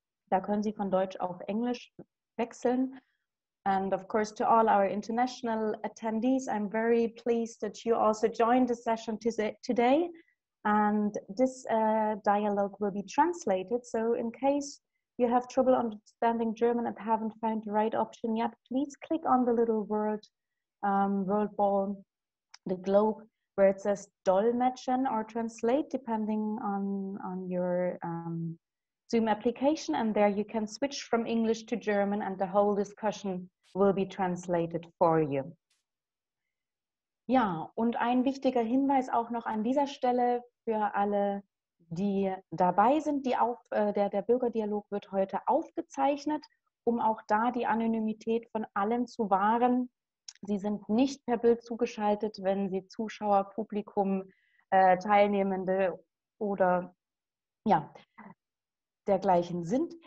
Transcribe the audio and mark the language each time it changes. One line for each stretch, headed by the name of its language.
German: Da können Sie von Deutsch auf Englisch wechseln.
English: And of course to all our international attendees, I'm very pleased that you also joined the session today. And this dialogue will be translated. So in case you have trouble understanding German and haven't found the right option yet, please click on the little world ball, the globe, where it says Dolmetschen or translate, depending on your Zoom application, and there you can switch from English to German and the whole discussion will be translated for you.
German: Ja, und ein wichtiger Hinweis auch noch an dieser Stelle für alle, die dabei sind. Der Bürgerdialog wird heute aufgezeichnet, um auch da die Anonymität von allen zu wahren. Sie sind nicht per Bild zugeschaltet, wenn Sie Zuschauer, Publikum, Teilnehmende oder ja, dergleichen sind.